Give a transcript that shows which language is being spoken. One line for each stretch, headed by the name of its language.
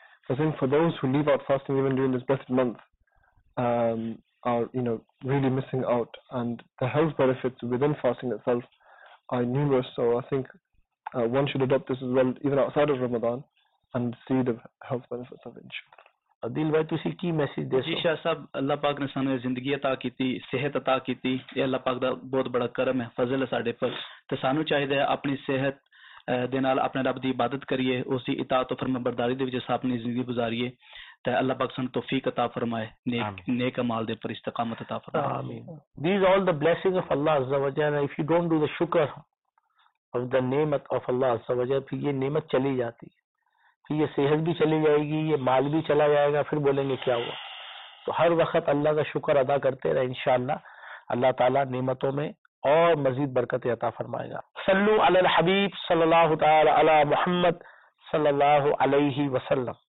English: I think for those who leave out fasting even during this blessed month, are, you know, really missing out, and the health benefits within fasting itself are numerous. So I think one should adopt this as well, even outside of Ramadan, and see the health benefits of it, inshallah.
Punjabi: عدیل بھائی تو اسی کی message دے سو جی شاہ صاحب اللہ پاک نے سانو زندگی عطا کیتی صحت عطا کیتی اے اللہ پاک دا بہت بڑا کرم ہے فضل ہے ساڈے پر تے سانو چاہیے اپنی صحت دے نال اپنے رب دی عبادت کریے اس دی اطاعت و فرما برداری دے وچ اپنی زندگی گزاریے تے اللہ پاک سانو توفیق عطا فرمائے نیک اعمال دے پر استقامت عطا فرمائے
Urdu: آمین
English: these all the blessings of اللہ عزوجل
Urdu: if you don't do the شکر اف دا نعمت اف اللہ عزوجل پھر یہ نعمت چلی جاتی یہ صحت بھی چلی جائے گی یہ مال بھی چلا جائے گا پھر بولیں گے کیا ہوا تو ہر وقت اللہ کا شکر ادا کرتے رہے انشاءاللہ اللہ تعالیٰ نعمتوں میں اور مزید برکت عطا فرمائے گا
Arabic: صلو علی الحبیب صلی اللہ تعالی علی محمد صلی اللہ علیہ وسلم